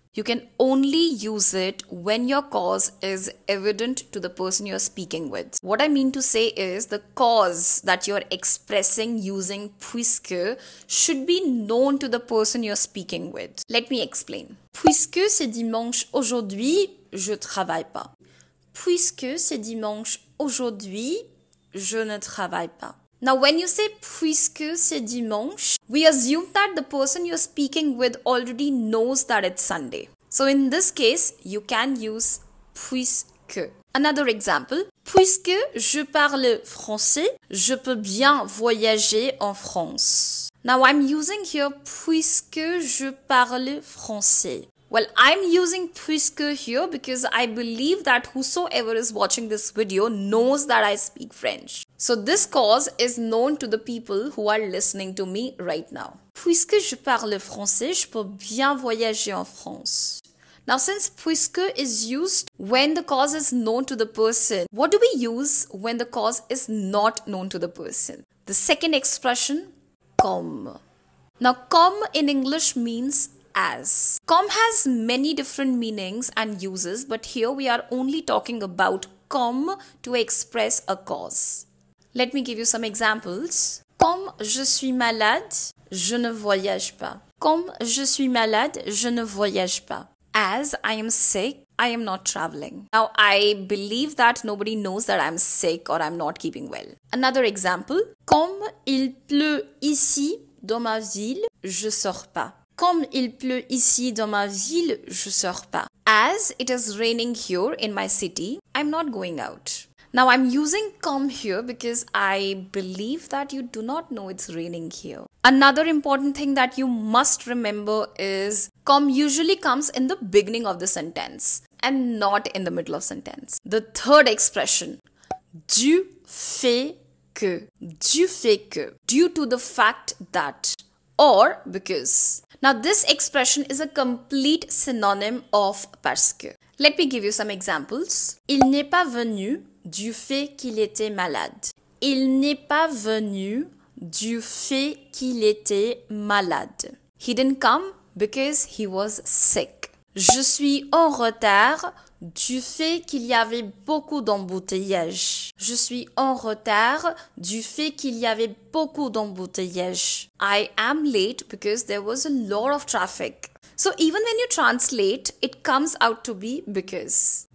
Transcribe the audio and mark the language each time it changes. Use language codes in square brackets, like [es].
[en] You can only use it when your cause is evident to the person you're speaking with. What I mean to say is the cause that you're expressing using puisque should be known to the person you're speaking with. Let me explain. [fr] Puisque c'est dimanche aujourd'hui, je travaille pas. Puisque c'est dimanche aujourd'hui, je ne travaille pas. [en] Now, when you say [fr] puisque c'est dimanche, [en] we assume that the person you're speaking with already knows that it's Sunday. So, in this case, you can use puisque. Another example. [fr] Puisque je parle français, je peux bien voyager en France. [en] Now, I'm using here [fr] puisque je parle français. [en] Well, I'm using puisque here because I believe that whosoever is watching this video knows that I speak French. So this cause is known to the people who are listening to me right now. [fr] Puisque je parle français, je peux bien voyager en France. [en] Now, since puisque is used when the cause is known to the person, what do we use when the cause is not known to the person? The second expression, comme. Now, comme in English means as. Comme has many different meanings and uses, but here we are only talking about comme to express a cause. Let me give you some examples. [fr] Comme je suis malade, je ne voyage pas. Comme je suis malade, je ne voyage pas. [en] As I am sick, I am not traveling. Now, I believe that nobody knows that I'm sick or I'm not keeping well. Another example. [fr] Comme il pleut ici dans ma ville, je sors pas. Comme il pleut ici dans ma ville, je sors pas. [en] As it is raining here in my city, I'm not going out. Now I'm using comme here because I believe that you do not know it's raining here. Another important thing that you must remember is comme usually comes in the beginning of the sentence and not in the middle of sentence. The third expression, [fr] du fait que, du fait que, [en] due to the fact that or because. Now this expression is a complete synonym of parce que. Let me give you some examples. [fr] Il n'est pas venu du fait qu'il était malade. Il n'est pas venu du fait qu'il était malade. [en] He didn't come because he was sick. [fr] Je suis en retard du fait qu'il y avait beaucoup d'embouteillages. Je suis en retard du fait qu'il y avait beaucoup d'embouteillages. [en] I am late because there was a lot of traffic. So even when you translate, it comes out to be because.